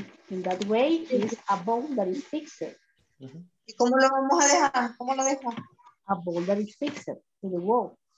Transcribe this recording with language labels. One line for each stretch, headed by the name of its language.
English: In that way, it's a bowl that is fixed.
Spanish: Mm-hmm. ¿Y cómo lo vamos a dejar? ¿Cómo lo dejo?
English: A bowl that is fixed to the wall.